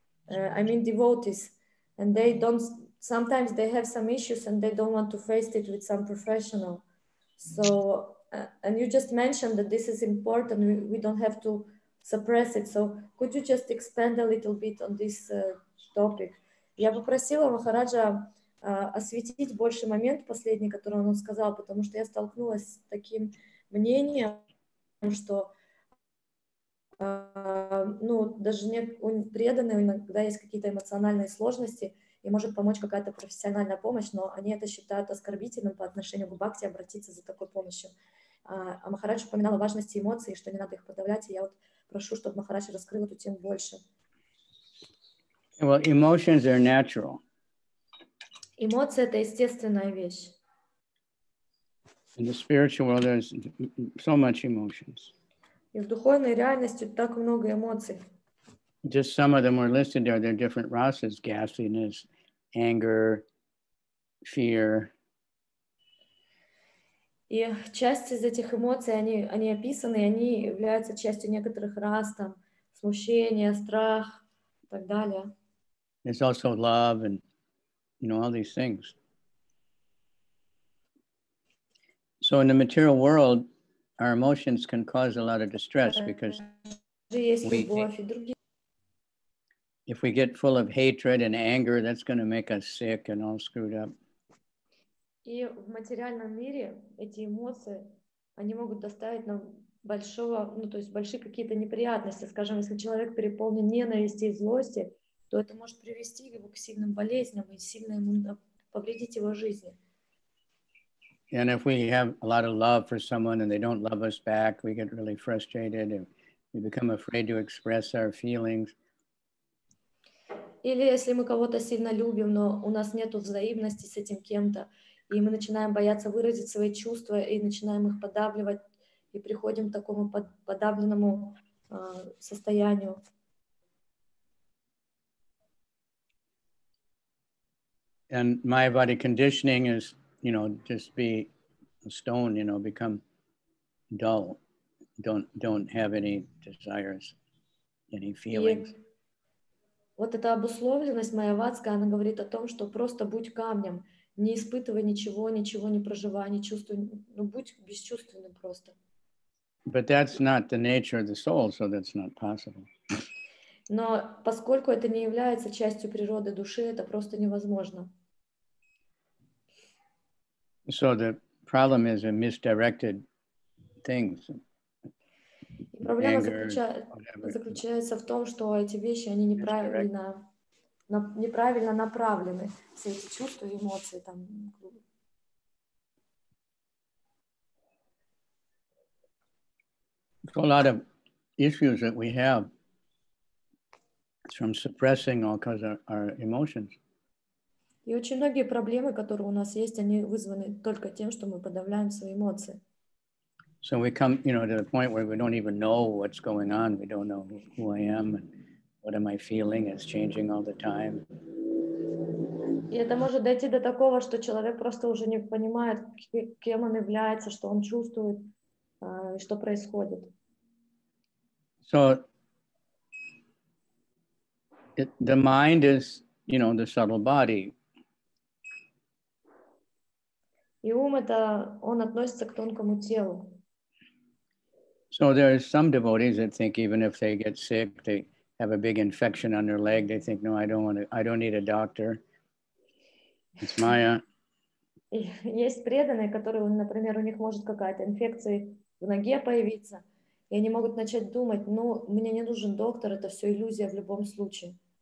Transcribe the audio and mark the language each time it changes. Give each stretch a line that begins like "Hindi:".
English: I mean devotees, and they don't, sometimes they have some issues and they don't want to face it with some professional. So. And you just mentioned that this is important, we don't have to suppress it. So could you just expand a little bit on this topic?
Russian: Я попросила Махараджа осветить больше момент последний, который он сказал, потому что я столкнулась с таким мнением, что даже преданные иногда есть какие-то эмоциональные сложности, и может помочь какая-то профессиональная помощь, но они это считают оскорбительным по отношению к бхакти обратиться за такой помощью. А Махарадж упоминал о важности эмоций, что не надо их подавлять, и я вот прошу, чтобы Махарадж раскрыл эту тему больше.
English: Well, emotions are natural.
Russian: Эмоции — это естественная вещь.
English: In the spiritual world there's so much emotions.
Russian: И в духовной реальности так много эмоций.
English: Just some of them were listed there. They're different rasas: ghastliness, anger, fear.
Russian: И часть из этих эмоций, они описаны, они являются частью некоторых рас, там смущение, страх и так далее.
English: There's also love and, you know, all these things. So in the material world, our emotions can cause a lot of distress because if we get full of hatred and anger, that's going to make us sick and all screwed up.
Russian: И в материальном мире эти эмоции, они могут доставить нам большого, то есть большие какие-то неприятности. Скажем, если человек переполнен ненависти и злости, то это может привести его к сильным болезням и сильно ему повредить его жизни.
English: And if we have a lot of love for someone and they don't love us back, we get really frustrated and we become afraid to express our feelings.
Russian: Или если мы кого-то сильно любим, но у нас нет взаимности с этим кем-то, и мы начинаем бояться выразить свои чувства и начинаем их подавливать, и приходим к такому подавленному состоянию.
English: And my body conditioning is, you know, just be a stone, you know, become dull. don't have any desires, any feelings.
Russian: Вот эта обусловленность моя ватская, она говорит о том, что просто будь камнем, не испытывай ничего, ничего не проживай, не чувствуй, ну будь бесчувственным просто.
English: But that's not the nature of the soul, so that's not possible.
Russian: Но поскольку это не является частью природы души, это просто невозможно.
English: So the problem is in misdirected things.
Russian: И проблема заключается в том, что эти вещи, они неправильно направлены, все эти чувства и эмоции там.
English: So a lot of issues that we have from suppressing all kinds of our emotions.
Russian: И очень многие проблемы, которые у нас есть, они вызваны только тем, что мы подавляем свои эмоции.
English: So we come, you know, to the point where we don't even know what's going on. We don't know who I am and what am I feeling. It's changing all the time.
Russian: И это может дойти до такого, что человек просто уже не понимает, кем он является, что он чувствует, что происходит.
English: So the mind is, you know, the subtle body.
Russian: И ум это, он относится к тонкому телу.
English: So there are some devotees that think even if they get sick, they have a big infection on their leg, they think, no, I don't need a doctor. It's Maya.
Russian: Есть преданные, которые, например, у них может какая-то инфекция в ноге появиться, и они могут начать думать, ну, мне не нужен доктор, это все иллюзия в любом случае.